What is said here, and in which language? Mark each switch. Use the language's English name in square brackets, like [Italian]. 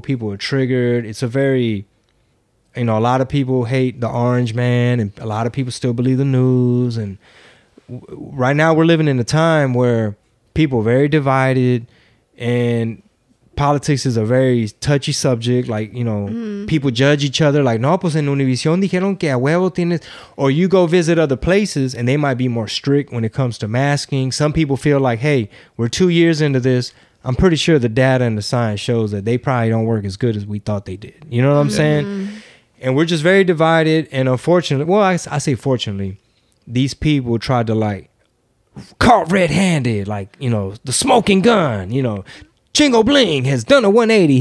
[English] People were triggered. It's a very, you know, a lot of people hate the orange man, and a lot of people still believe the news. And right now we're living in a time where people are very divided, and politics is a very touchy subject. Like, you know, people judge each other. [Spanish] Like, no, pues en Univision dijeron que a huevo tienes. [English] Or you go visit other places and they might be more strict when it comes to masking. Some people feel like, hey, we're 2 years into this. I'm pretty sure the data and the science shows that they probably don't work as good as we thought they did. You know what I'm saying? And we're just very divided. And unfortunately, well, I say fortunately, these people tried to like caught red-handed, like, you know, the smoking gun, you know, Chingo Bling has done a 180.